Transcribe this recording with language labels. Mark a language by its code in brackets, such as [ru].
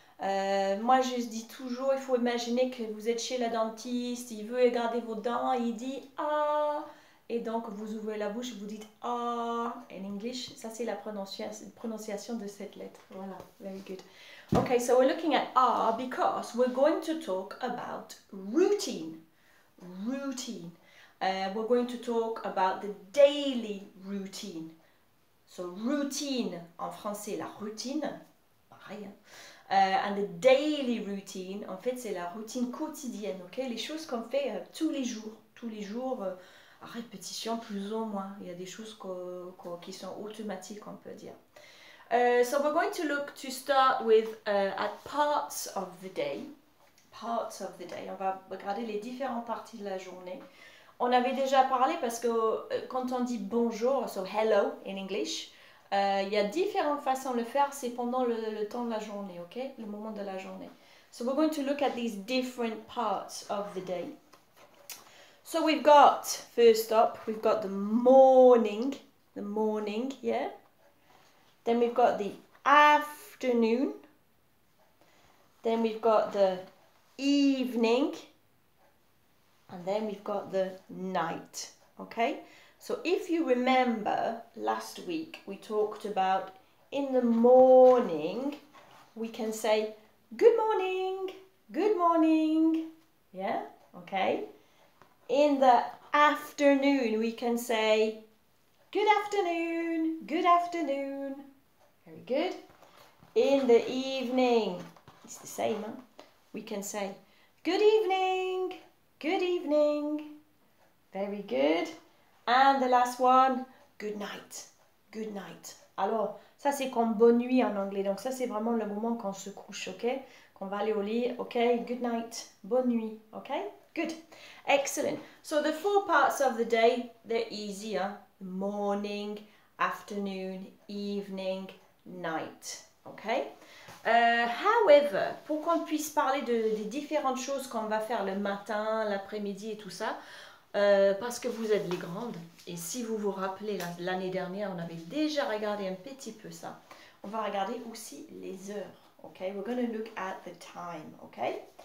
[fr] Moi, je dis toujours, il faut imaginer que vous êtes chez la dentiste, il veut garder vos dents, il dit R. Et donc, vous ouvrez la bouche, vous dites « ah » [en] in English. [fr] Ça, c'est la prononciation de cette lettre. [en] Voilà, very good. Okay, so we're looking at « ah » because we're going to talk about routine. Routine. We're going to talk about the daily routine. [fr] So, routine, en français, la routine, pareil. [en] And the daily routine, [fr] en fait, c'est la routine quotidienne, ok? Les choses qu'on fait tous les jours. Tous les jours, à répétition, plus ou moins. Il y a des choses qui sont automatiques, on peut dire. [en] So, we're going to look to start with at parts of the day. Parts of the day. [fr] On va regarder les différentes parties de la journée. On avait déjà parlé parce que quand on dit bonjour, [en] so hello in English, [fr] il y a différentes façons de le faire, c'est pendant le temps de la journée, ok? Le moment de la journée. [en] So we're going to look at these different parts of the day. So we've got, first up, we've got the morning, yeah? Then we've got the afternoon. Then we've got the evening. And then we've got the night, okay? So if you remember, last week we talked about in the morning, we can say, good morning, yeah, okay? In the afternoon, we can say, good afternoon, very good. In the evening, it's the same, huh? We can say, good evening. Good evening, very good. And the last one, good night, good night. [fr] Alors, ça c'est comme bonne nuit en anglais. Donc ça c'est vraiment le moment qu'on se couche, ok? Qu'on va aller au lit, ok? [en] Good night, [fr] bonne nuit, ok? [en] Good, excellent. So the four parts of the day, they're easy, hein? Morning, afternoon, evening, night, ok? However, [fr] pour qu'on puisse parler des différentes choses qu'on va faire le matin, l'après-midi et tout ça, parce que vous êtes les grandes, et si vous vous rappelez, l'année dernière, on avait déjà regardé un petit peu ça, on va regarder aussi les heures, ok? [en] We're going to look at the time, ok?